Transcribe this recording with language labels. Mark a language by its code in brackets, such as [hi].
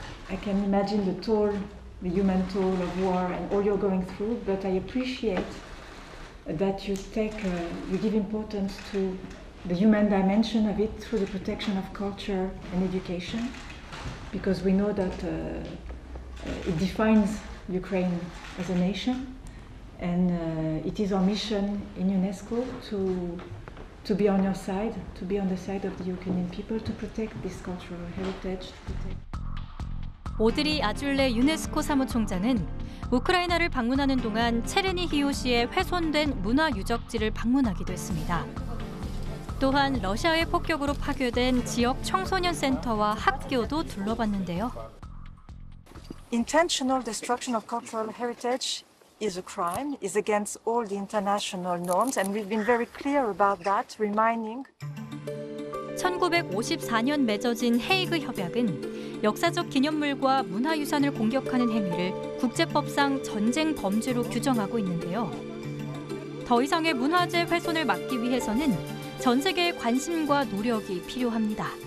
[en] I can imagine the toll, the human toll of war and all you're going through, but I appreciate that you take, you give importance to the human dimension of it through the protection of culture and education, because we know that it defines Ukraine as a nation, and it is our mission in UNESCO to be on your side, to be on the side of the Ukrainian people, to protect this cultural heritage. [ko] 오드리 아줄레 유네스코 사무총장은 우크라이나를 방문하는 동안 체르니히우 시의 훼손된 문화 유적지를 방문하기도 했습니다. 또한 러시아의 폭격으로 파괴된 지역 청소년 센터와 학교도 둘러봤는데요. [en] Intentional destruction of cultural heritage is a crime, is against all the international norms, and we've been very clear about that, reminding. [ko] 1954년 맺어진 헤이그 협약은 역사적 기념물과 문화유산을 공격하는 행위를 국제법상 전쟁 범죄로 규정하고 있는데요. 더 이상의 문화재 훼손을 막기 위해서는 전 세계의 관심과 노력이 필요합니다.